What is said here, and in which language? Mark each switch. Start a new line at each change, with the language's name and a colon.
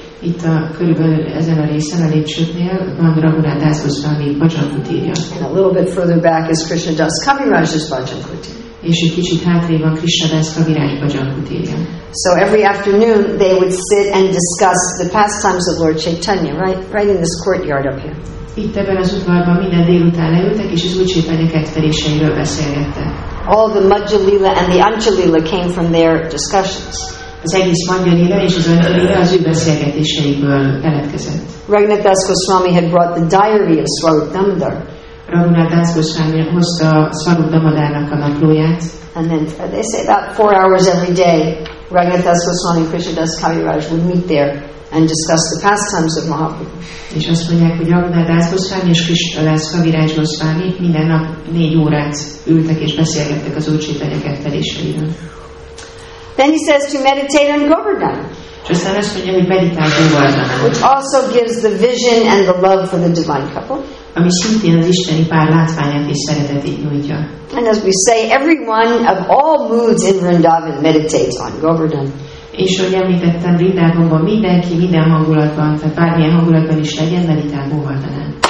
Hungarian: Itt a körülbelül ezen a részen a lépcsőknél van Raghunath Das Goswami Bhajan Kutirja.
English: And a little bit further back is Krishna Das Kaviraj's Bhajan Kutir.
Hungarian: És egy kicsit hátrébb van Krishna Das Kaviraj Bhajan Kutirja.
English: So every afternoon they would sit and discuss the pastimes of Lord Chaitanya right in this courtyard up here.
Hungarian: Itt ebben az udvarban minden délután leültek, és az Úr Csaitanya kedveléseiről beszélgettek.
English: All the Majjalila and the Anjalila came from their discussions.
Hungarian: Az egész Majjalila és az Anjalila az ő beszélgetéseiből keletkezett.
English: Raghunath Das Goswami had brought the diary of Swarup Damodar.
Hungarian: Raghunath Das Goswami hozta Swarup Damodarnak a naplóját.
English: And then they say about 4 hours every day, Raghunath Das Goswami and Krishna Das Kaviraj would meet there and discuss the pastimes of Mahaprabhu.
Hungarian: És azt mondják, hogy Raghunath Das Goswami és Krishna Das Kaviraj Goswami minden nap 4 órát ültek és beszélgettek az Úr Csaitanya kedveléseiről.
English: Then he says to meditate on Govardhan. Just then, when you meditate on Govardhan, which also gives the vision and the love for the divine couple.
Hungarian: Ami szintén az isteni pár látványát és szeretetét nyújtja.
English: And as we say, everyone of all moods in Vrindavan meditates on Govardhan.
Hungarian: És ahogy említettem, Vrindavanban mindenki minden hangulatban, tehát bármilyen hangulatban is legyen, meditál Govardhanán.